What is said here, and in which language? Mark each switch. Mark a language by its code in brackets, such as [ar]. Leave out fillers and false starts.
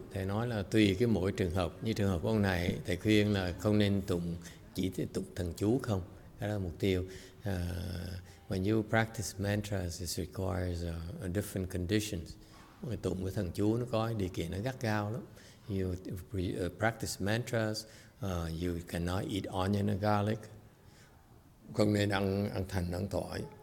[vi] Thầy nói là tùy cái mỗi trường hợp. Như trường hợp của ông này, thầy khuyên là không nên tụng chỉ tụng thần chú không. Đó là mục tiêu. [en] When you practice mantras, it requires a different conditions. [vi] Tụng với thần chú nó có điều kiện nó gắt gao lắm. [en] You practice mantras, you cannot eat onion and garlic. [vi] Không nên ăn thành, ăn tỏi.